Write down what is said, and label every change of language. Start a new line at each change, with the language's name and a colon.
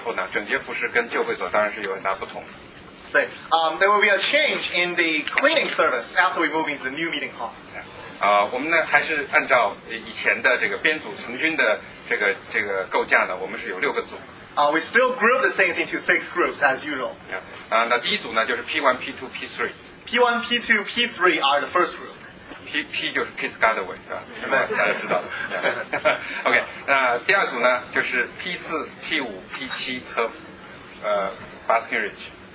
Chinese: 我们接下来有点关于服事的交通，好吧，我们现在就讨论两个服事交通。 Amen. 首先是我们这个整洁服事的交通。那我们从搬到新会所以后呢，整洁服事跟旧会所当然是有很大不同。
English: 对，there will be a change in the cleaning service after we move into the new meeting hall.
Chinese: 我们呢还是按照以前的这个编组成军的这个构架呢，我们是有六个组。
English: We still group the saints into six groups as usual. Yeah.
Chinese: 那第一组呢就是 P1, P2, P3.
English: P1, P2, P3 are the first group.
Chinese: P 就是 Pete Scudaway 是吧？是吧？大家知道。
English: Yeah. OK.
Chinese: 那第二组呢就是 P4, P5, P7 和Baskin Ridge.